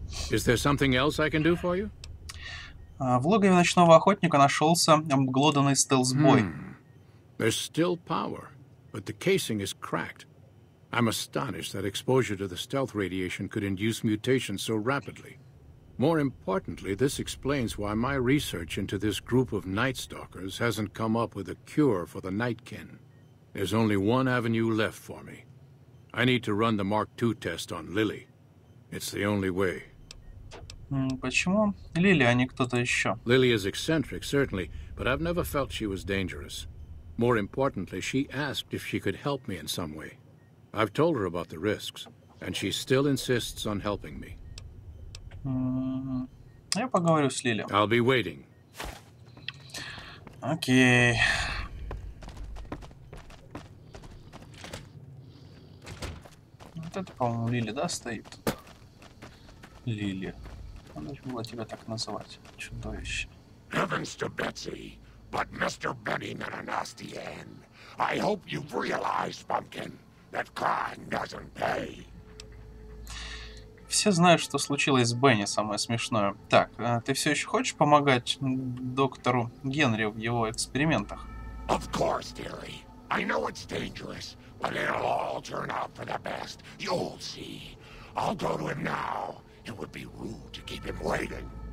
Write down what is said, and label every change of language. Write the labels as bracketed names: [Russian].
[English] Is there something else I can do for you? [Russian] В логове ночного охотника нашелся обглоданный стелс-бой. [English] There's still power, but the casing is cracked. I'm astonished that exposure to the stealth radiation could induce mutations so rapidly. More importantly, this explains why my research into this group of night stalkers hasn't come up with a cure for the Nightkin. There's only one avenue left for me. I need to run the Mark II test on Lily. It's the only way. [Russian] Почему Лили, а не кто-то еще? [English] Lily is eccentric, certainly, but I've never felt she was dangerous. More importantly, she asked if she could help me in some way. I've told her about the risks, and she still insists on helping me. [Russian] Я поговорю с Лили. [English] I'll be waiting. [Russian] Окей. Вот это, по-моему, Лили, да, стоит? Лили. Надо было тебя так называть. Чудовище. [English] Heavens to Betsy, but Mr. Benny met a nasty end. I hope you've realized, Pumpkin, that crime doesn't pay. [Russian] Все знают, что случилось с Бенни, самое смешное. Так, ты все еще хочешь помогать доктору Генри в его экспериментах? [English] Of course, dearie. I know it's dangerous, but it'll all turn out for the best. You'll see. I'll go to him now. It would be rude to keep him waiting.